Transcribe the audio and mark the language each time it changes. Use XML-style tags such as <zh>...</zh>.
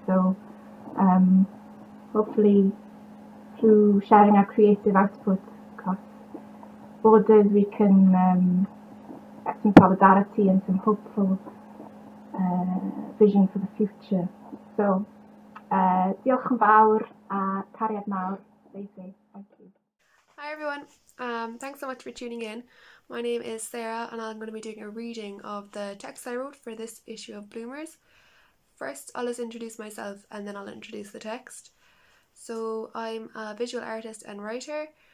<en>So hopefully through sharing our creative output across borders, we can get some solidarity and some hopeful vision for the future.</en> <cy>So diolch yn fawr a cariad mawr.</cy> <en>Thank you. Hi everyone, thanks so much for tuning in. My name is Sarah, and I'm going to be doing a reading of the text I wrote for this issue of Bloomers. First, I'll just introduce myself, and then I'll introduce the text. So I'm a visual artist and writer.</en>